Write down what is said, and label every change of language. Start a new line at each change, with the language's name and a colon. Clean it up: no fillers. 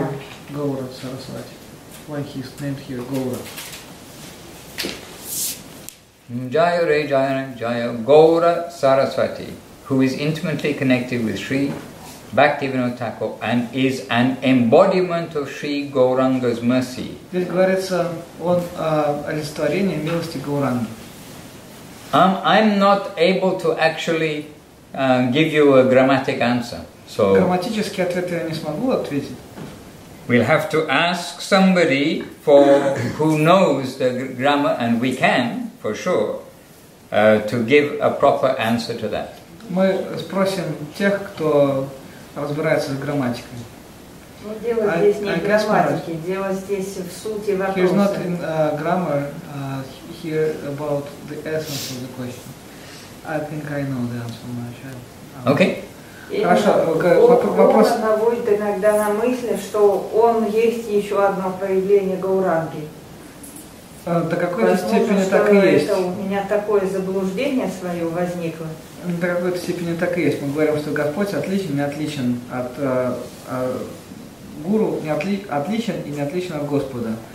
English: Gaura. Gaura Sarasvati. Why he's named here Gaura? Jaya Re Jaya Re Jaya Gaura Sarasvati, who is intimately connected with Sri Bhaktivinoda Thakur and is an embodiment of Sri Gauranga's mercy.
Russian: Здесь говорится о олицетворении милости Гауранги.
English: I'm not able to actually give you a grammatic answer. So
Russian: грамматический ответ я не смогу ответить.
English: We'll have to ask somebody for who knows the grammar, and we can for sure to give a proper answer to that.
Russian: Мы спросим тех, кто разбирается с грамматикой. Ну, дело здесь не в грамматике, дело здесь в сути вопроса.
English: He's not in grammar, here about the essence of the question. I think I know the answer, my child. Okay.
Russian: Хорошо, вопрос... Он наводит иногда на мысли, что он есть еще одно проявление Гауранги. До какой-то степени так и есть. У меня такое заблуждение свое возникло. До какой-то степени так и есть. Мы говорим, что Господь отличен, не отличен от гуру, отличен и не отличен от Господа.